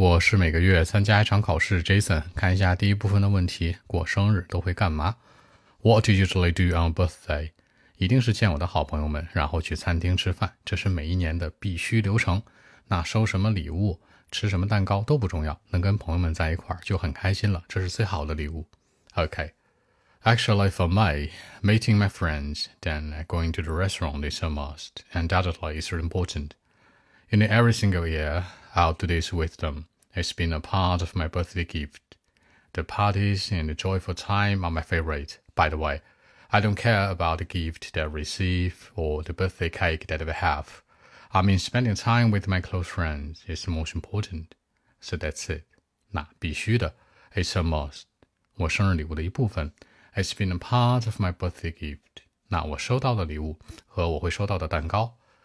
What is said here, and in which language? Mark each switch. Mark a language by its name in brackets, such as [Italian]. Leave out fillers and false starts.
[Chinese] 我是每个月参加一场考试 Jason， 看一下第一部分的问题，过生日都会干嘛。 [English] What do you usually do on birthday？ [Chinese] 一定是见我的好朋友们，然后去餐厅吃饭，这是每一年的必须流程。那收什么礼物，吃什么蛋糕都不重要，能跟朋友们在一块儿就很开心了，这是最好的礼物。 [English] OK, actually for me, meeting my friends, then going to the restaurant is a must, undoubtedly is important. In every single year,I'll do this with them. It's been a part of my birthday gift. The parties and the joyful time are my favorite. By the way, I don't care about the gift that I receive or the birthday cake that I have. I mean, spending time with my close friends is the most important. So that's it. [Chinese] 那必须的。 [English] It's a must. [Chinese] 我生日礼物的一部分。 [English] It's been a part of my birthday gift. [Chinese] 那我收到的礼物和我会收到的蛋糕。